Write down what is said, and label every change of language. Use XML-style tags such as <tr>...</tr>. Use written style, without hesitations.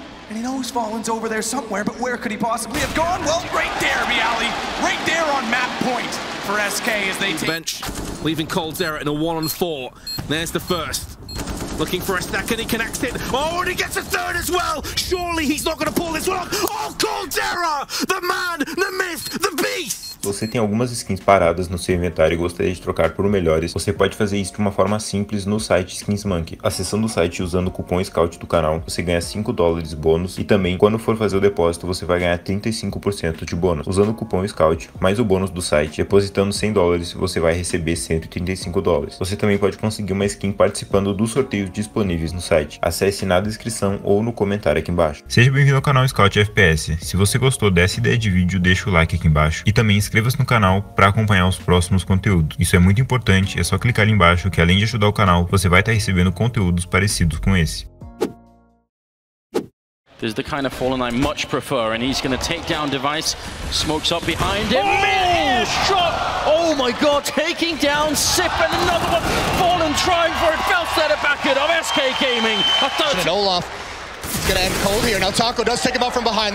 <en>And he knows Fallen's over there somewhere, but where could he possibly have gone? Well, right there, Bialy. Right there on map point for SK as they take. Bench, leaving Cold Zera in a 1-on-4. There's the first. Looking for a second, he connects it. Oh, and he gets a third as well. Surely he's not gonna pull this one off. Oh, Cold Zera! The man, the myth, the beast!</en> <pt>Você tem algumas skins paradas no seu inventário e gostaria de trocar por melhores? Você pode fazer isso de uma forma simples no site Skins Monkey. Acessando o site usando o cupom Scout do canal, você ganha 5 dólares bônus e também, quando for fazer o depósito, você vai ganhar 35% de bônus. Usando o cupom Scout mais o bônus do site, depositando 100 dólares, você vai receber 135 dólares. Você também pode conseguir uma skin participando dos sorteios disponíveis no site. Acesse na descrição ou no comentário aqui embaixo. Seja bem-vindo ao canal Scout FPS. Se você gostou dessa ideia de vídeo, deixa o like aqui embaixo e também inscreva-se no canal para acompanhar os próximos conteúdos. Isso é muito importante, é só clicar ali embaixo que além de ajudar o canal, você vai estar recebendo conteúdos parecidos com esse.</pt> <en>This is the kind of Fallen I much prefer and he's going to take down device, smokes up behind him. Oh! Oh my god, taking down Sip and another one. Fallen trying for it, Felsetter back it up, SK Gaming. A third. Olaf is going to end Cold here. Now Taco does take him out from behind.</en>